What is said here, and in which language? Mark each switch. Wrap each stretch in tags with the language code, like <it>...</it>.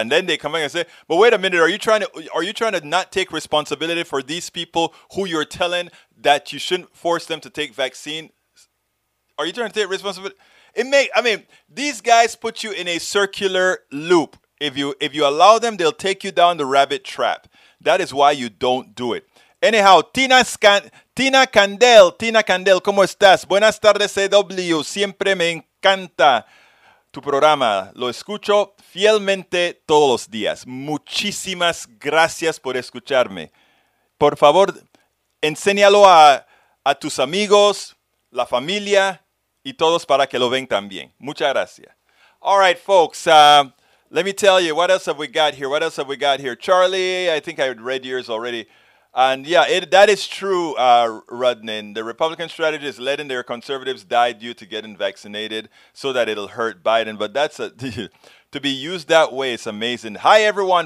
<en>And then they come back and say, but wait a minute, are you trying to not take responsibility for these people who you're telling that you shouldn't force them to take vaccine? Are you trying to take responsibility? These guys put you in a circular loop. If you allow them, they'll take you down the rabbit trap. That is why you don't do it. Anyhow,</en> <es>Tina Candel, ¿cómo estás? Buenas tardes, CW. Siempre me encanta tu programa. Lo escucho fielmente todos los días. Muchísimas gracias por escucharme. Por favor, enséñalo a tus amigos, la familia, y todos para que lo ven también. Muchas gracias.</es> <en>All right, folks. Let me tell you, what else have we got here? Charlie, I think I read yours already. And yeah, that is true, Rudnin. The Republican strategy is letting their conservatives die due to getting vaccinated so that it'll hurt Biden. But that's to be used that way, it's amazing. Hi, everyone.</en>